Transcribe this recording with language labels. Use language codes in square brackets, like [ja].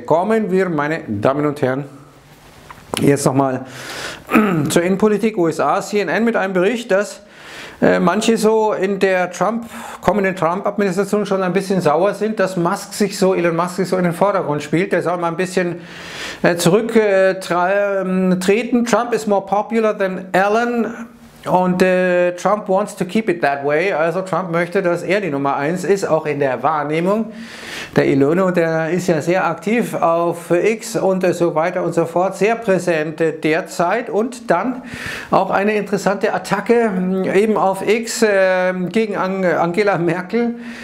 [de] Kommen wir, meine Damen und Herren, jetzt nochmal zur Innenpolitik USA, CNN mit einem Bericht, dass manche so in der kommenden Trump-Administration schon ein bisschen sauer sind, dass Elon Musk sich so in den Vordergrund spielt. Der soll mal ein bisschen zurücktreten. [en] Trump is more popular than Allen und Trump wants to keep it that way. [de] Also Trump möchte, dass er die Nummer 1 ist, auch in der Wahrnehmung. Der Elon, der ist ja sehr aktiv auf X und so weiter und so fort, sehr präsent derzeit. Und dann auch eine interessante Attacke eben auf X gegen Angela Merkel.